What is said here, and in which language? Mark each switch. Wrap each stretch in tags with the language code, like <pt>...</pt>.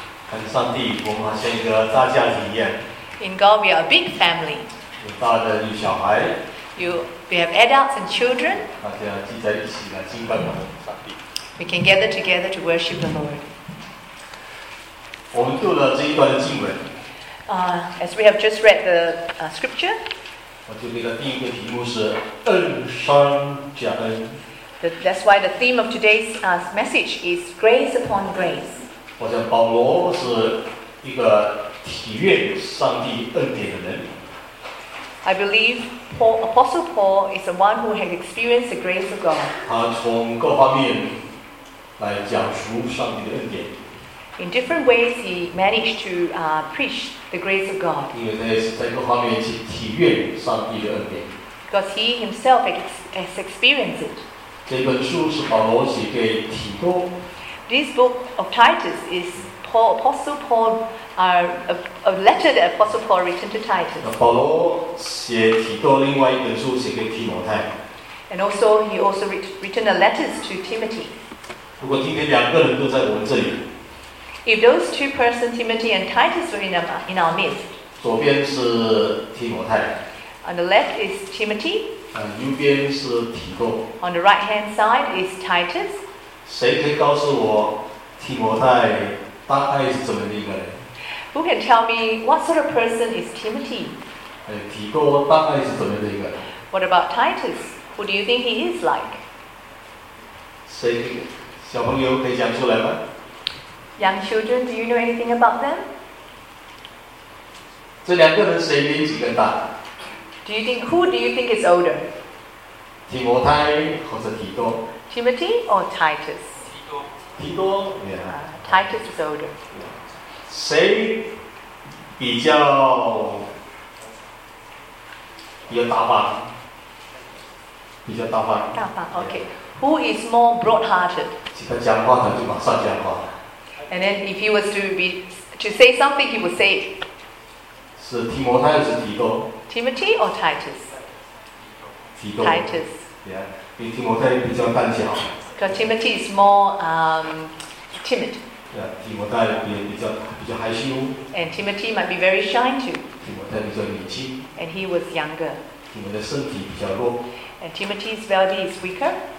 <zh>感谢上帝，我们好像一个大家庭一样。</zh> <en>In God, we are a big family.</en> <zh>有大人有小孩。</zh> <en>We have adults and children.</en> <zh>大家聚在一起来敬拜我们上帝。</zh> <en>We can gather together to worship the Lord.</en> <zh>我们读了这一段的经文。</zh> <en>As we have just read the scripture.</en> <zh>我就给的第一个题目是恩上加恩。</zh> <en>That's why the theme of today's message is grace upon grace.</en> <zh>好像保罗是一个体验上帝恩典的人。</zh> <en>I believe Paul, Apostle Paul is the one who has experienced the grace of God.</en> <zh>他从各方面来讲述上帝的恩典。</zh> <en>In different ways, he managed to preach the grace of God.</en> <zh>因为他也是在各方面去体验上帝的恩典。</zh> <en>Because he himself has experienced it.</en> <zh>这本书是保罗写给提多。</zh> <en>This book of Titus is Paul, Apostle Paul, a letter that Apostle Paul written to Titus.</en> <zh>保罗写提多另外一本书写给提摩太。</zh> <en>And also he also written a letters to Timothy.</en> <zh>如果今天两个人都在我们这里。</zh> <en>If those two persons, Timothy and Titus, were in our midst.</en> <zh>左边是提摩太。</zh> <en>On the left is Timothy.</en> <zh>右边是提多。</zh> <en>On the right hand side is Titus.</en> <zh>谁可以告诉我提摩太大概是怎么的一个人？</zh> <en>Who can tell me what sort of person is Timothy?</en> <zh>提多大概是怎么的一个人？</zh> <en>What about Titus? Who do you think he is like?</en> <zh>谁小朋友可以讲出来吗？</zh> <en>Young children, do you know anything about them?</en> <zh>这两个人谁年纪更大？</zh> <en>Who do you think is older?</en> <zh>提摩太或者提多。</zh> <en>Timothy or Titus?</en> <zh>提多。</zh> <en>Titus is older.</en> <zh>谁比较有大方？比较大方。大方 ，okay.</zh> <en>Who is more broad-hearted?</en> <zh>只要讲话，他就马上讲话。</zh> <en>And then, if he was to say something, he would say it.</en> <zh>是提摩太还是提多？</zh> <en>Timothy or Titus? Titus.</en> <zh>Yeah, 比提摩太比较胆小。</zh> <en>Because Timothy is more timid.</en> <zh>Yeah, 提摩太比较害羞。</zh> <en>And Timothy might be very shy too.</en> <zh>提摩太比较年轻。</zh> <en>And he was younger.</en> <zh>提摩太身体比较弱。</zh> <en>And Timothy's body is weaker.</en>